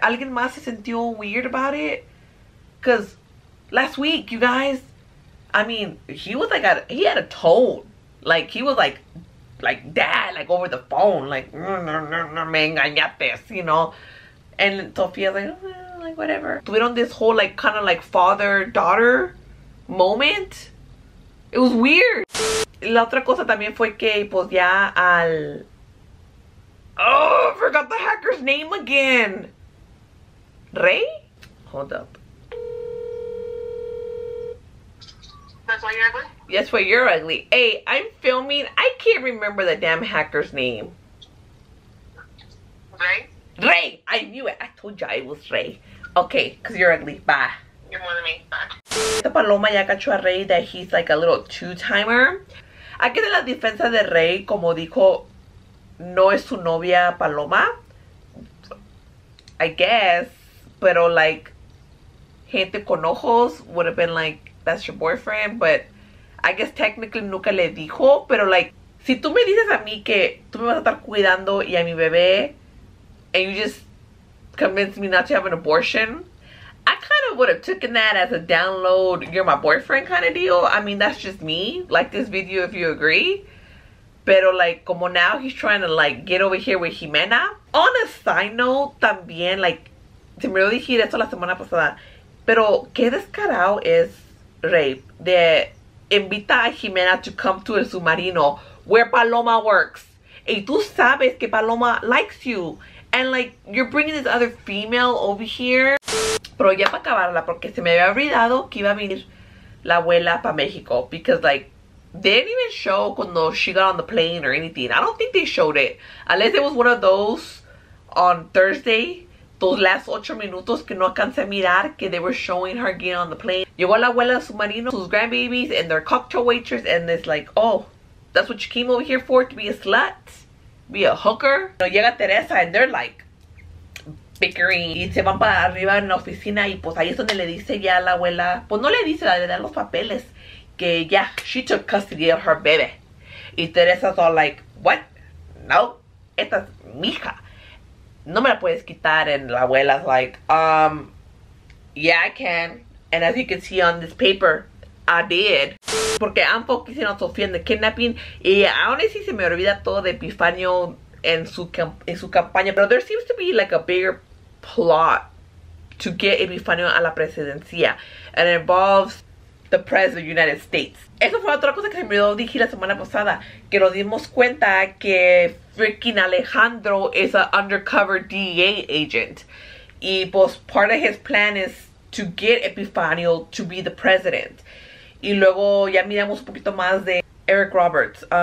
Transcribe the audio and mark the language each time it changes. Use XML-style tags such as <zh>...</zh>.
<es>¿Alguien más se sintió</es> <en>weird about it? Because last week, you guys, I mean, he was like, he had a tone. Like, he was like dad, like over the phone, like,</en> <es>me engañaste,</es> <en>you know? And Sofía's like, like, whatever. Tuvieron this whole, like, kind of like father daughter moment. It was weird.</en> <es>La otra cosa también fue que, pues ya al.</es> <en>Oh, I forgot the hacker's name again. Rey? Hold up. That's why you're ugly? Yes, why you're ugly. Hey, I'm filming. I can't remember the damn hacker's name. Ray? Ray! I knew it. I told you it was Ray. Okay, because you're ugly. Bye. You're more than me. Bye. The Paloma</en> <es>ya cachó a Ray</es> <en>that he's like a little two-timer.</en> <es>Aquí de la defensa de Ray, como dijo, no es su novia Paloma.</es> <en>I guess. Pero, like,</en> <es>gente con ojos</es> <en>would have been like, that's your boyfriend, but I guess technically</en> <es>nunca le dijo,</es> <en>pero like,</en> <es>si tú me dices a mí que tú me vas a estar cuidando y a mi bebé,</es> <en>and you just convince me not to have an abortion, I kind of would have taken that as a download, you're my boyfriend kind of deal. I mean, that's just me, like this video if you agree, pero like, como now he's trying to like, get over here with Jimena. On a side note,</en> <es>también, like, se me lo dije eso la semana pasada, pero qué descarado es Ray, de invita a Jimena</es> <en>to come to</en> <es>el submarino</es> <en>where Paloma works.</en> <es>Y tú sabes que Paloma</es> <en>likes you. And like, you're bringing this other female over here.</en> <es>Pero ya para acabarla, porque se me había olvidado que iba a venir la abuela para México.</es> <en>Because like, they didn't even show cuando she got on the plane or anything. I don't think they showed it. Unless it was one of those on Thursday. Those last 8</en> <es>minutos que no alcancé a mirar, que</es> <en>they were showing her getting on the plane.</en> <es>Llegó la abuela de su marino, sus</es> <en>grandbabies, and their cocktail waitress, and it's like, oh, that's what you came over here for, to be a slut? Be a hooker? No,</en> <es>llega Teresa,</es> <en>and they're like, bickering.</en> <es>Y se van para arriba en la oficina, y pues ahí es donde le dice ya la abuela, pues no le dice, le dan los papeles, que ya,</es> <en>yeah, she took custody of her baby.</en> <es>Y</es> <en>Teresa's all like, what?</en> <es>No, esta es mi hija. No me la puedes quitar.</es> <en>And la abuela's like, yeah, I can. And as you can see on this paper, I did. Porque I'm focusing on Sofía and the kidnapping.</en> <es>Y aún así se me olvida todo de Epifanio en su campaña.</es> <en>But there seems to be like a bigger plot to get Epifanio</en> <es>a la presidencia.</es> <en>And it involves the President of the United States.</en> <es>Eso fue otra cosa que se me olvidó dije la semana pasada. Que nos dimos cuenta que</es> <en>freaking Alejandro is an undercover DEA agent.</en> <es>Y pues</es> <en>part of his plan is to get Epifanio to be the president.</en> <es>Y luego ya miramos un poquito más de Eric Roberts.</es>